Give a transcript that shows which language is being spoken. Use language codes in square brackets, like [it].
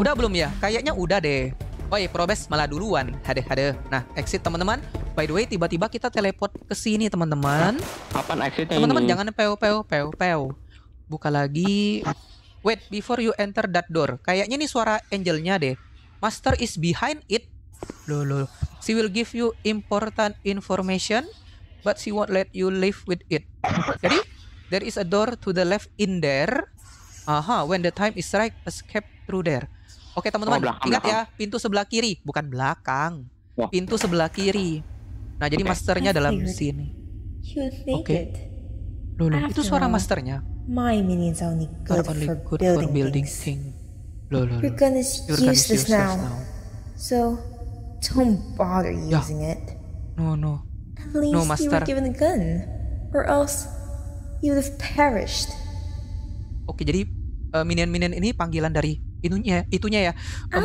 [id] Udah belum ya? Kayaknya udah deh. Woi, Probes malah duluan. Hadeh, hadeh. Nah, exit teman-teman. [en] By the way, [id] tiba-tiba kita teleport ke sini teman-teman. Kapan exitnya? Teman-teman ini? Jangan peo peo peo peo. Buka lagi. [en] Wait, before you enter that door. [id] Kayaknya ini suara angelnya deh. [en] Master is behind it. [id] Loh, loh. [en] She will give you important information, but she won't let you live with it. [id] Jadi, [en] there is a door to the left in there. Aha, when the time is right, escape through there. [id] Oke, teman-teman, ingat ya, pintu sebelah kiri, bukan belakang. Pintu sebelah kiri. Nah, jadi okay. Masternya dalam sini. Oke. Loh, loh, itu suara masternya. [en] My minions are only good, for, good building for building things. [id] Loh, loh, [en] you're gonna useless now. So, don't bother using it. No, no. At least no, master. You were given a gun, or else you would have perished. [id] Oke, jadi minion-minion ini panggilan dari itunya ya, master.